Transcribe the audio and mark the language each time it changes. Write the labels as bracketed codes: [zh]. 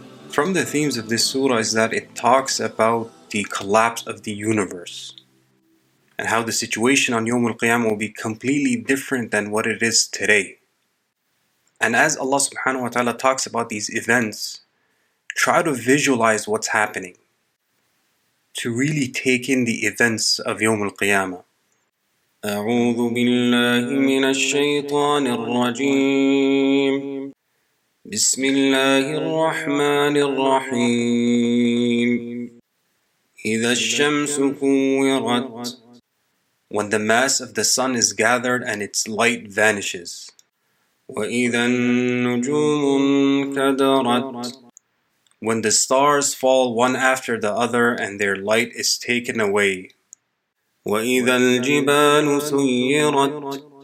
[en] From the themes of this surah is that it talks about the collapse of the universe and how the situation on Yawm al-Qiyamah will be completely different than what it is today. And as Allah subhanahu wa ta'ala talks about these events, try to visualize what's happening to really take in the events of Yawm al-Qiyamah. [ar] أعوذ بالله من الشيطان الرجيم بسم الله الرحمن الرحيم إذا الشمس كورت. [en] When the mass of the sun is gathered and its light vanishes. [ar] وإذا النجوم كدرت. [en] When the stars fall one after the other and their light is taken away. [ar] وَإِذَا الْجِبَالُ سُيِّرَتْ.